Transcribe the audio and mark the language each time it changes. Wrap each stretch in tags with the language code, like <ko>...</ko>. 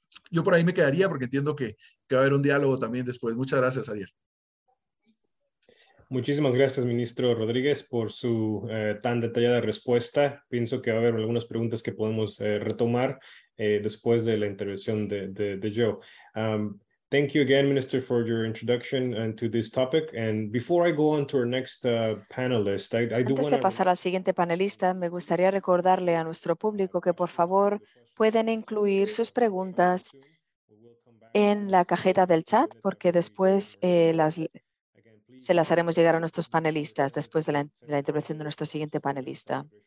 <es>Yo por ahí me quedaría porque entiendo que va a haber un diálogo también después. Muchas gracias, Ariel. Muchísimas gracias, ministro Rodríguez, por su tan detallada respuesta. Pienso que va a haber algunas preguntas que podemos retomar después de la intervención de Joe.</es> <en>Thank you again, Minister, for your introduction and to this topic. And before I go on to our next panelist, I do want to...</en> <es>Antes de pasar al siguiente panelista, me gustaría recordarle a nuestro público que, por favor, pueden incluir sus preguntas en la cajeta del chat, porque después se las haremos llegar a nuestros panelistas después de la intervención de nuestro siguiente panelista.</es>